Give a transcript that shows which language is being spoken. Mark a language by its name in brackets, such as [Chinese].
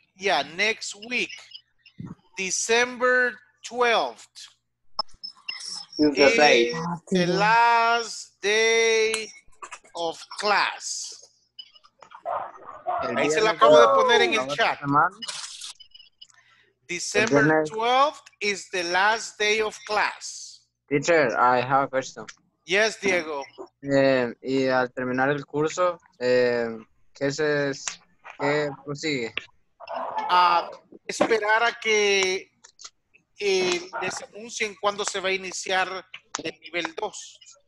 [English] Yeah, next week. December 12th. The last day of class. [Spanish] Ahí se la acabo de poner en el chat. [English] December 12th is the last day of class. Teacher, I have a question. Yes, Diego. [Spanish] Y al terminar el curso, ¿qué se qué prosigue? Esperar a que les anuncien cuándo se va a iniciar el nivel 2.